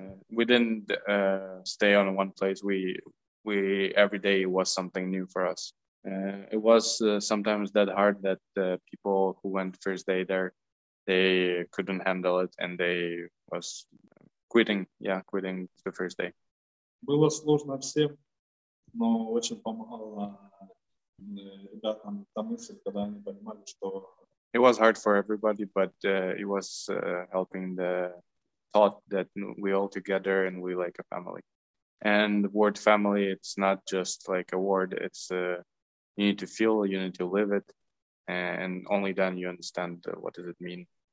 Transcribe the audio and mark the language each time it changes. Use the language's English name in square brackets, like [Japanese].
[English] We didn't stay on one place. We every day was something new for us. It was sometimes that hard that people who went first day there, they couldn't handle it, and they was quitting. Yeah, quitting the first day. [Russian] Было сложно всем, но очень помогало ребятам та мысль, когда они понимали, что. [English] It was hard for everybody, but it was helping the thought that we all together and we like a family. And the word family, it's not just like a word. It's you need to feel, you need to live it, and only then you understand what does it mean.